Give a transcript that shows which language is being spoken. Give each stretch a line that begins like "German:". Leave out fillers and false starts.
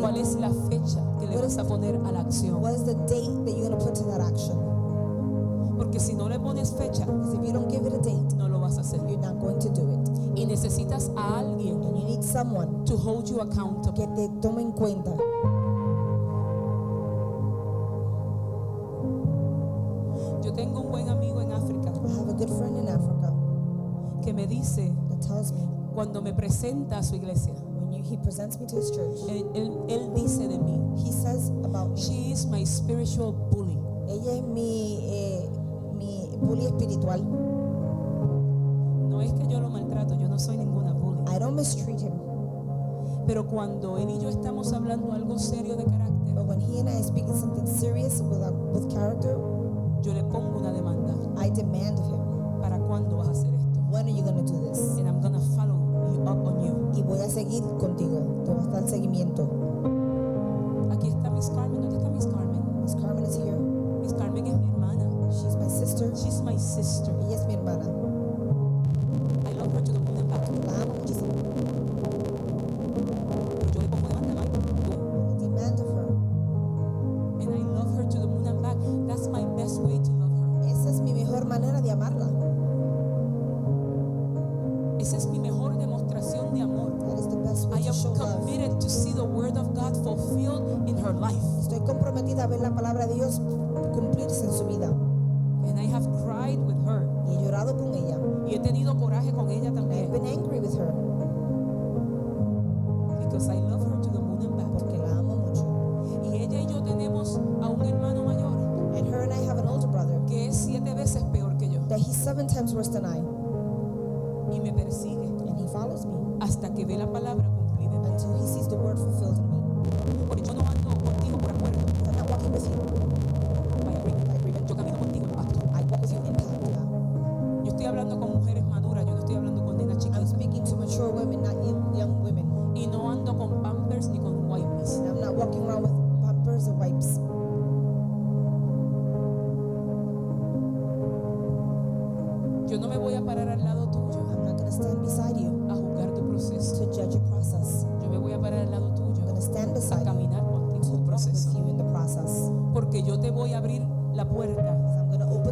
Spanish: ¿Cuál es la fecha que le vas a poner a la acción?
English: What is the date that you're going to put to that action?
Spanish: Porque si no le pones fecha,
English: because if you don't give it a date,
Spanish: no lo vas a hacer.
English: You're not going to do it.
Spanish: Y necesitas a alguien,
English: and you need someone to hold you accountable.
Spanish: Que te tome en cuenta. Yo tengo un buen amigo en África.
English: I have a good friend in Africa.
Spanish: Que me dice,
English: that tells me,
Spanish: cuando me presenta a su iglesia,
English: when you, he presents me to his church,
Spanish: él dice de mí,
English: he says about me, she is my spiritual bully.
Spanish: Ella es mi bully espiritual. No es que yo lo maltrato, yo no soy ninguna bully.
English: I don't mistreat him.
Spanish: Pero cuando él y yo estamos hablando algo serio de carácter,
English: but when he and I are speaking something serious with character,
Spanish: yo le pongo una demanda.
English: I demand of him.
Spanish: ¿Para cuándo vas a hacer esto?
English: When are you going to do this? And I'm going to follow you up on you.
Spanish: Y voy a seguir contigo. Te voy a dar seguimiento. Aquí está Miss Carmen. ¿Dónde está Miss Carmen?
English: Miss Carmen is here.
Spanish: Miss Carmen es mi hermana.
English: She's my sister. She's my sister.
Spanish: Ella es mi hermana.
English: I love her to the moon and back.
Spanish: La amo muchísimo. Yo le pongo demanda, ¿no?
English: I demand of her. And I love her to the moon and back. That's my best way to love her.
Spanish: Esa es mi mejor manera de amarla. Esa es mi mejor demostración de amor.
English: That is the best way I am to show committed love. To see the word of God fulfilled in her life.
Spanish: Estoy comprometida a ver la palabra de Dios cumplirse en su vida.
English: And I have cried with her.
Spanish: Y he llorado con ella. Y he tenido coraje con ella también.
English: I've been angry with her. Because I love her to the moon and back.
Spanish: Porque la amo mucho. Y ella y yo tenemos a un hermano mayor.
English: And her and I have an older brother.
Spanish: Que es siete veces peor que yo.
English: That he's seven times worse than I.
Spanish: Y me persigue.
English: And he follows me.
Spanish: Hasta que ve la palabra cumplida.
English: Until he sees the word fulfilled in me.
Spanish: Porque yo no ando contigo por acuerdo.
English: I'm not walking with you. By agreement. By agreement.
Spanish: Yo camino contigo en pacto.
English: I walk with you in pacto.
Spanish: Yo estoy hablando con mujeres maduras. Yo no estoy hablando con nenas chiquitas.
English: I'm speaking to mature women, not young women.
Spanish: Y no ando con pampers ni con wipes.
English: And I'm not walking around with pampers or wipes.
Spanish: Yo no me voy a parar al lado tuyo.
English: Stand beside you
Spanish: a juzgar tu proceso.
English: To judge your process.
Spanish: Yo me voy a parar al lado tuyo.
English: I'm going to stand beside
Spanish: a caminar contigo
English: you
Spanish: tu proceso.
English: With you in the process.
Spanish: Porque yo te voy a abrir la puerta.
English: I'm going to open